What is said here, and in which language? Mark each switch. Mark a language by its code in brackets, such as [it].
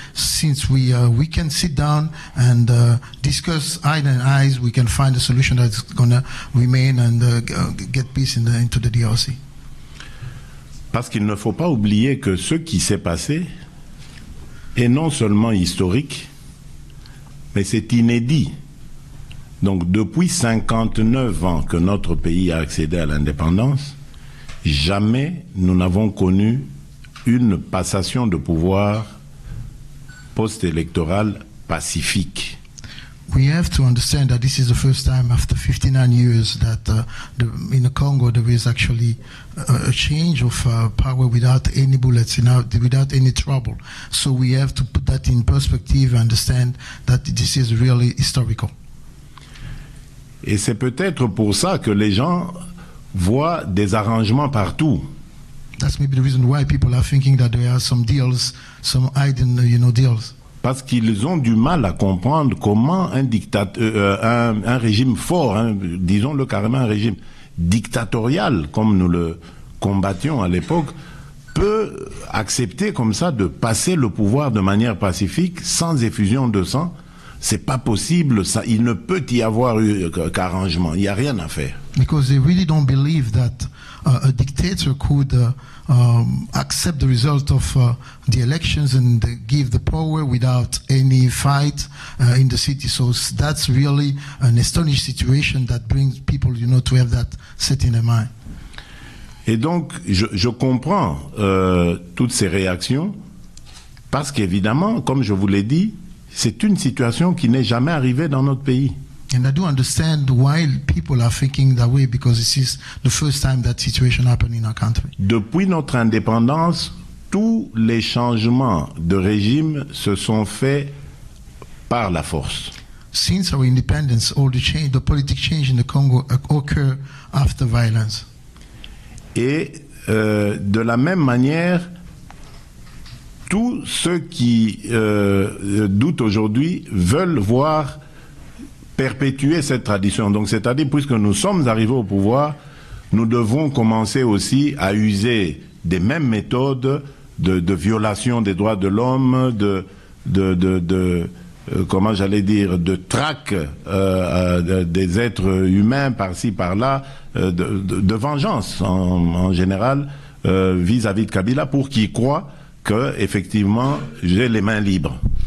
[en] Since we can sit down and discuss eye to eyes, we can find a solution that's going to remain and get peace into the DRC. [fr] Parce qu'il ne faut pas oublier que ce qui s'est passé est non seulement historique, mais c'est inédit. Donc depuis 59 ans que notre pays a accédé à l'indépendance, jamais nous n'avons connu une passation de pouvoir post-électoral pacifique. [en] We have to understand that this is the first time after 59 years that in the Congo there is actually a change of power without any bullets, without any trouble. So we have to put that in perspective and understand that this is really historical. [fr] Et c'est peut-être pour ça que les gens voient des arrangements partout. [en] That's maybe the reason why people are thinking that there are some deals, some hidden, you know, deals. [fr] Parce qu'ils ont du mal à comprendre comment un régime fort, disons-le carrément un régime dictatorial, comme nous le combattions à l'époque, peut accepter comme ça de passer le pouvoir de manière pacifique, sans effusion de sang. C'est pas possible, ça, il ne peut y avoir qu'arrangement, il n'y a rien à faire. [en] Because they really don't believe that a dictator could accept the result of the elections and give the power without any fight in the city. So that's really an astonishing situation that brings people, you know, to have that set in their mind. [fr] Et donc, je comprends toutes ces réactions, parce qu'évidemment, comme je vous l'ai dit, c'est une situation qui n'est jamais arrivée dans notre pays. [en] And I do understand why people are thinking that way, because this is the first time that situation happened in our country. [fr] Depuis notre indépendance, tous les changements de régime se sont faits par la force. [en] Since our independence, all the change, the political change in the Congo occur after violence. [fr] Et de la même manière, tous ceux qui doutent aujourd'hui veulent voir perpétuer cette tradition. Donc, c'est-à-dire, puisque nous sommes arrivés au pouvoir, nous devons commencer aussi à user des mêmes méthodes de violation des droits de l'homme, de traque des êtres humains par-ci, par-là, de vengeance en général vis-à-vis de Kabila, pour qu'il croit que, effectivement, j'ai les mains libres.